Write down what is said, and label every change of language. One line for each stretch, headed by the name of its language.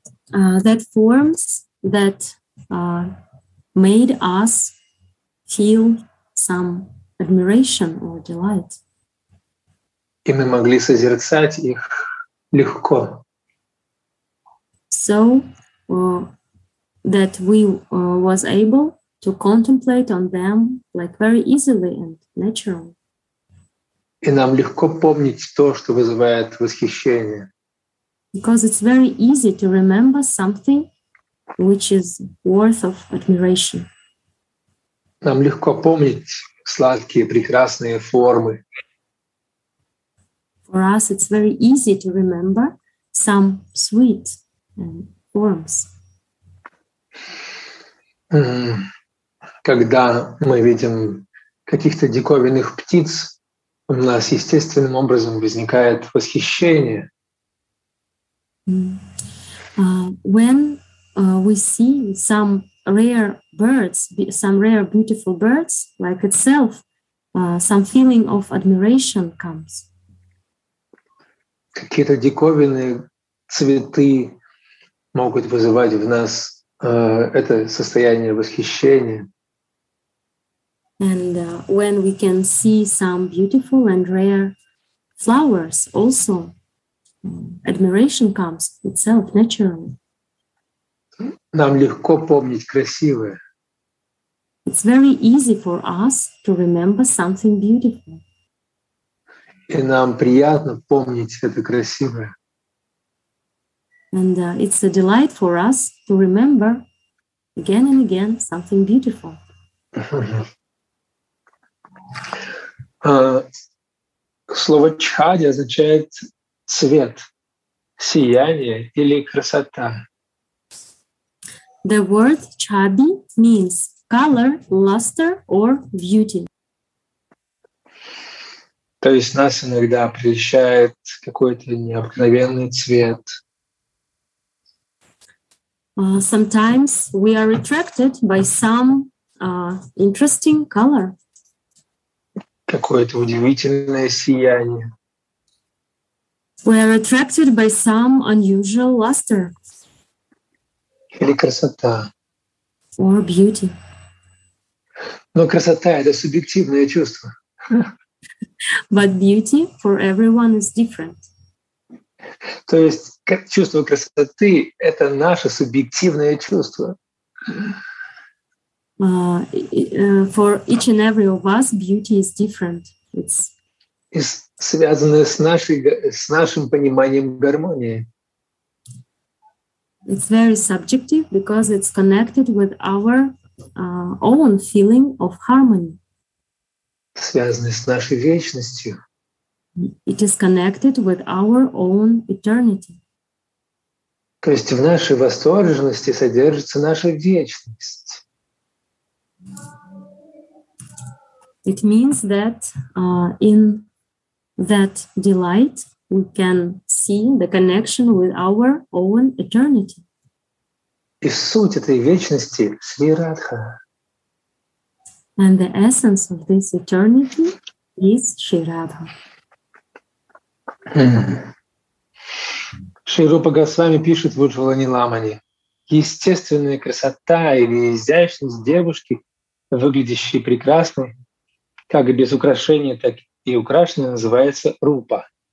English: That forms that made us feel some admiration or delight.
Russian: И мы могли созерцать их легко.
English: So that we was able to contemplate on them like very easily and naturally.
Russian: И нам легко помнить то, что вызывает восхищение.
English: Because it's very easy to remember something which is worth of admiration.
Russian: Нам легко помнить сладкие, прекрасные формы.
English: For us it's very easy to remember some sweet forms.
Russian: Когда мы видим каких-то диковинных птиц, у нас естественным образом возникает восхищение.
English: When we see some rare birds, some rare beautiful birds, like itself, some feeling of admiration comes.
Russian: Какие-то диковинные цветы могут вызывать в нас это состояние восхищения.
English: And when we can see some beautiful and rare flowers also, admiration comes itself naturally.
Russian: Нам легко помнить красивое.
English: It's very easy for us to remember something beautiful.
Russian: И нам приятно помнить это красивое.
English: And it's a delight for us to remember again and again something beautiful.
Russian: Слово чхади означает цвет, сияние или красота.
English: The word chhabi means color, luster or beauty.
Russian: То есть нас иногда прельщает какой-то необыкновенный цвет.
English: Sometimes we are attracted by some interesting color.
Russian: Какое-то удивительное сияние.
English: We are attracted by some unusual luster.
Russian: Или красота.
English: Or beauty.
Russian: Но красота — это субъективное чувство.
English: But beauty for everyone is different.
Russian: То есть чувство красоты — это наше субъективное чувство.
English: For each and every of us, beauty is different. It's
Russian: связанное с нашим пониманием гармонии.
English: It's very subjective because it's connected with our own feeling of harmony.
Russian: Связанное с нашей вечностью.
English: It is connected with our own eternity.
Russian: То есть в нашей восторженности содержится наша вечность.
English: It means that in that delight, we can see the connection with our own eternity.
Russian: И суть этой вечности — Шри Радха.
English: And the essence of this eternity is Шри Радха.
Russian: Шри Рупа Госвами пишет в Уджхвалани Ламане: естественная красота или изящность девушки, выглядящей прекрасной, как и без украшения, так и украшенной, называется Рупа.